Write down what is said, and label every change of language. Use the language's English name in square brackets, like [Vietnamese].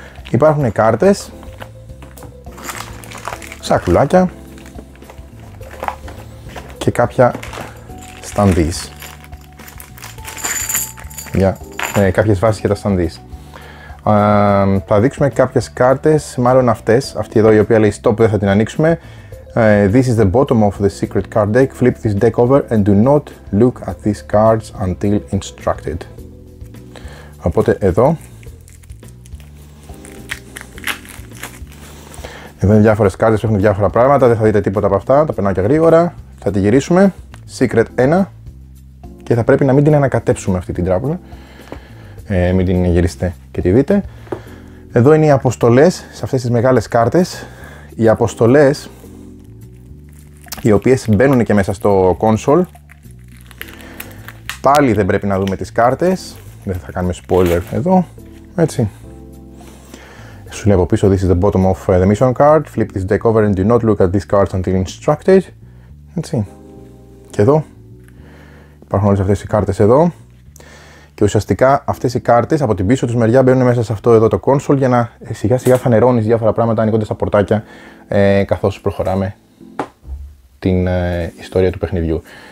[Greek] Υπάρχουν κάρτες, σακουλάκια και κάποια standees. Κάποιες βάσεις για τα standees. Θα δείξουμε κάποιες κάρτες, μάλλον αυτές. Αυτή εδώ η οποία λέει stop, δεν θα την ανοίξουμε. [English] This is the bottom of the secret card deck. Flip this deck over and do not look at these cards until instructed. [Greek] Οπότε εδώ είναι διάφορες κάρτες που έχουν διάφορα πράγματα. Δεν θα δείτε τίποτα από αυτά, τα περνάω και γρήγορα. Θα τη γυρίσουμε. Secret 1. Και θα πρέπει να μην την ανακατέψουμε αυτή την τράπουλα. Μην την γυρίσετε και τη δείτε. Εδώ είναι οι αποστολές σε αυτές τις μεγάλες κάρτες. Οι αποστολές οι οποίες μπαίνουν και μέσα στο console. Πάλι δεν πρέπει να δούμε τις κάρτες. Δεν θα κάνουμε spoiler εδώ. Έτσι. Σου λέω από πίσω, [English] this is the bottom of the mission card. Flip this deck over and do not look at these cards until instructed. [Greek] Έτσι. Και εδώ. Υπάρχουν όλες αυτές οι κάρτες εδώ. Και ουσιαστικά αυτές οι κάρτες από την πίσω τους μεριά μπαίνουν μέσα σε αυτό εδώ το console για να σιγά σιγά φανερώνεις διάφορα πράγματα ανοίγοντας τα πορτάκια καθώς προχωράμε την ιστορία του παιχνιδιού.